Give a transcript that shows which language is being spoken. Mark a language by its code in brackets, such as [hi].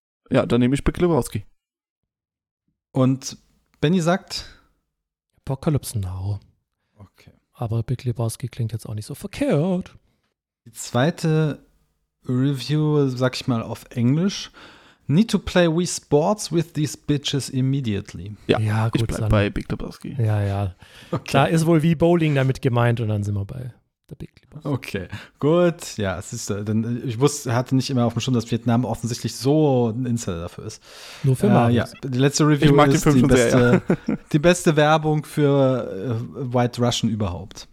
[de] Ja, dann nehme ich Big Lebowski. Und Benny sagt? Apocalypse Now. Okay. Aber Big Lebowski klingt jetzt auch nicht so verkehrt. Die zweite Review, sag ich mal, auf Englisch. [en] Need to play Wii Sports with these bitches immediately. [de] Ja, ja gut, ich bleib bei Big Lebowski. Ja, ja. Okay. Da ist wohl Wii Bowling damit gemeint und dann sind wir bei der Big Lebowski. Okay, gut. Ja, es ist, denn ich wusste, hatte nicht immer auf dem Schirm, dass Vietnam offensichtlich so ein Insider dafür ist. Nur für Marius. Ja, die letzte Review ist die beste, sehr, ja. Die beste Werbung für White Russian überhaupt.